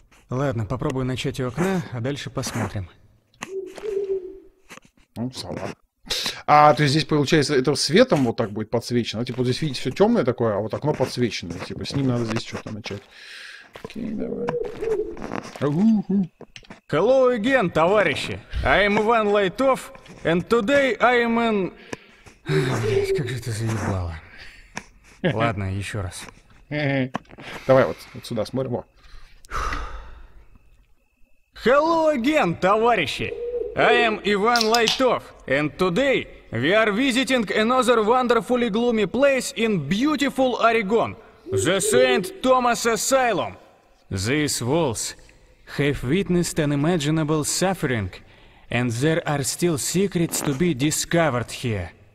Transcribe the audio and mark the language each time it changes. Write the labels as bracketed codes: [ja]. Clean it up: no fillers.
[ru] Ладно, попробую начать у окна, а дальше посмотрим. Ну, сова. А, то есть здесь получается, это светом вот так будет подсвечено. Типа вот здесь видите все темное такое, а вот окно подсвеченное. Типа с ним надо здесь что-то начать. Окей, давай. [en] Hello again, товарищи. I'm Ivan Lightov, and today I'm in... [ru] Блять, как же ты заебало. Ладно, еще раз. Давай вот, вот сюда смотрим. Во. [en] Hello again, товарищи. I am Ivan Lightov, and today we are visiting another wonderfully gloomy place in beautiful Oregon, the St. Thomas Asylum. These walls have witnessed unimaginable suffering, and there are still secrets to be discovered here.